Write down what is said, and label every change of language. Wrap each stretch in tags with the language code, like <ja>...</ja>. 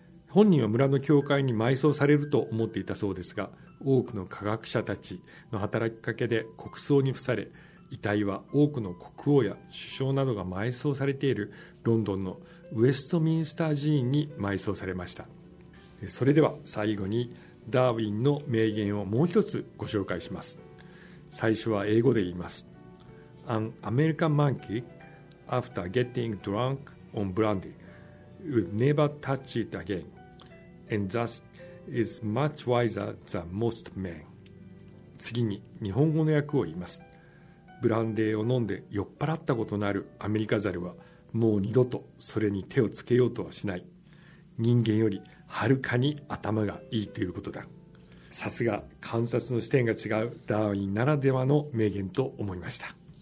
<ja>本人は村の教会に埋葬されると思っていたそうですが、多くの科学者たちの働きかけで国葬に付され、遺体は多くの国王や首相などが埋葬されているロンドンのウェストミンスター寺院に埋葬されました。それでは最後にダーウィンの名言をもう一つご紹介します。最初は英語で言います。</ja> <en>An American monkey after getting drunk on brandyWould never touch it again, and thus is much wiser than most men.</en> <ja>次に日本語の訳を言います。ブランデーを飲んで酔っ払ったことのあるアメリカザルはもう二度とそれに手をつけようとはしない。人間よりはるかに頭がいいということだ。さすが観察の視点が違うダーウィンならではの名言と思いました。</ja>